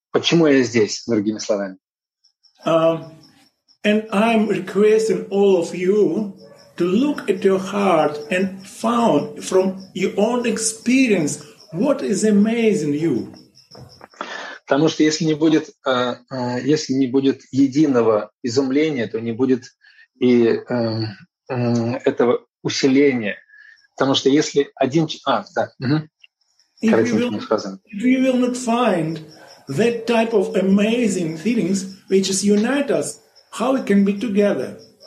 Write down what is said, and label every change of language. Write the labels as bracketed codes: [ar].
[ru] Почему я здесь, другими словами? [en] And I'm requesting all of you to look at your heart and found from your own experience what is amazing you. [ru] Потому что если не будет, если не будет единого изумления, то не будет и этого усиления. Потому что если один... [en] We will not find that type of amazing feelings which is unite us, how we can be together.